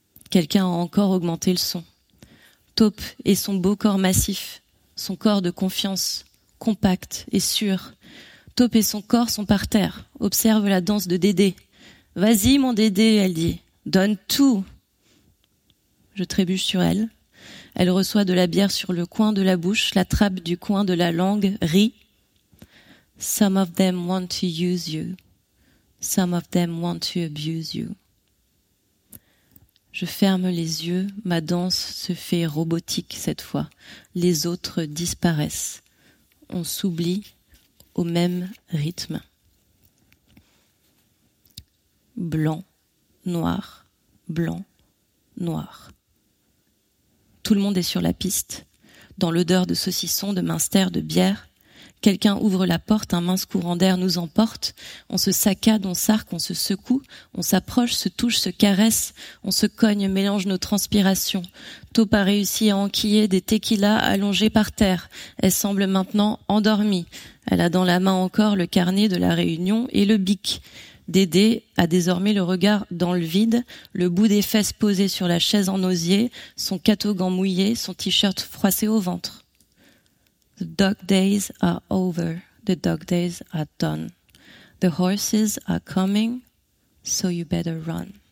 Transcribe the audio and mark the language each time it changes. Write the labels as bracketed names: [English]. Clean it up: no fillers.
[French] Quelqu'un a encore augmenté le son. Taupe et son beau corps massif, son corps de confiance, compact et sûr. Taupe et son corps sont par terre. Observe la danse de Dédé. « Vas-y, mon Dédé, » elle dit. « Donne tout !» Je trébuche sur elle. Elle reçoit de la bière sur le coin de la bouche, l'attrape du coin de la langue, rit. [English] Some of them want to use you. Some of them want to abuse you. [French] Je ferme les yeux, ma danse se fait robotique cette fois. Les autres disparaissent. On s'oublie au même rythme. Blanc, noir, blanc, noir. Tout le monde est sur la piste. Dans l'odeur de saucisson, de minster, de bière, quelqu'un ouvre la porte, un mince courant d'air nous emporte. On se saccade, on s'arc, on se secoue, on s'approche, se touche, se caresse, on se cogne, mélange nos transpirations. Taupe a réussi à enquiller des tequilas allongés par terre. Elle semble maintenant endormie. Elle a dans la main encore le carnet de la réunion et le bic. Dédé a désormais le regard dans le vide, le bout des fesses posé sur la chaise en osier, son catogan mouillé, son t-shirt froissé au ventre. [English] The dog days are over. The dog days are done. The horses are coming, so you better run.